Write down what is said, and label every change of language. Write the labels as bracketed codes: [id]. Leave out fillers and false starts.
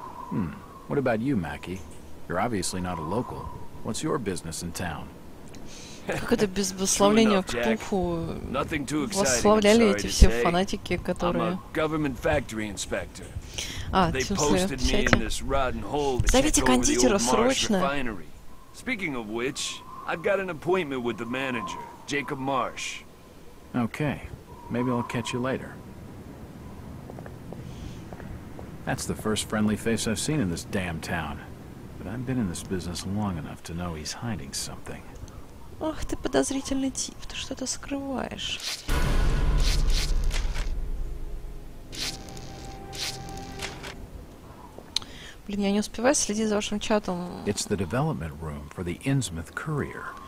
[en] Hmm. What about you, Mackey? You're obviously not a local. What's your business in town? [ru] Как это без благословения к пуху? [en] Nothing too exciting, [ru] восславляли эти все фанатики, которые... [en] I'm a government factory inspector. [ru] А, в смысле, в чате? Зовите кондитера, срочно! [en] Speaking of which, I've got an appointment with the manager, Jacob Marsh. Okay, maybe I'll catch you later. That's the first friendly face I've seen in this damn town. But I've been in this business long enough to know he's hiding something. [ru] Ах, ты подозрительный тип, ты что-то скрываешь. Блин, я не успеваю следить за вашим чатом. [en] It's the development room for the Innsmouth Courier.